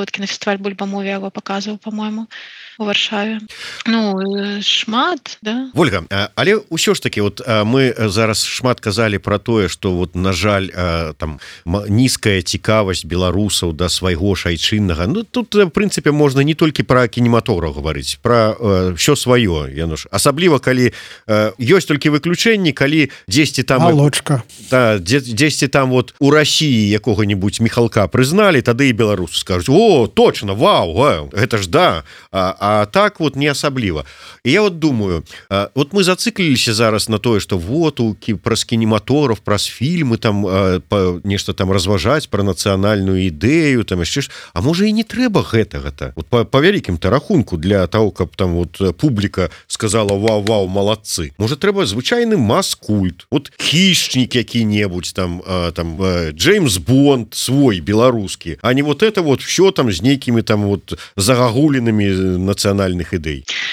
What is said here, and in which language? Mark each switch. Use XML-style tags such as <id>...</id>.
<be>Вот кінафестываль «Бульбамуві» яго паказываў, па-моему, у Варшаве. Ну, шмат, да. Вольга, але ўсё ж такі, вот, мы зараз шмат казалі пра тое, што, вот, на жаль, там нізкая цікавасць беларусаў да свайго айчыннага.</be> <ru>Ну, тут в принципе можно не только про кинематограф говорить, про все свое, я ну особливо коли есть только выключение, коли 10 там молочка, да, 10 там вот у России какого-нибудь Михалка признали, тогда и белорусы скажут: о, точно, вау, вау, это ж да. А так вот не особливо. И я вот думаю, вот мы зациклились зараз на то, что вот у про кинематограф, про фильмы там нечто там разважать про национальную идею там еще, а может и</ru> <be>не треба гэтага-то. Вот по вялікім-то рахунку для того, каб там вот публіка сказала: вау-вау, малацы.</be> <ru>Может,</ru> <be>трэба звычайны маскульт,</be> <ru>вот хищник які-небудь, там, там Джеймс Бонд свой, беларускі, а не вот это вот все там с некими там вот загагулінами национальных ідэй.</ru>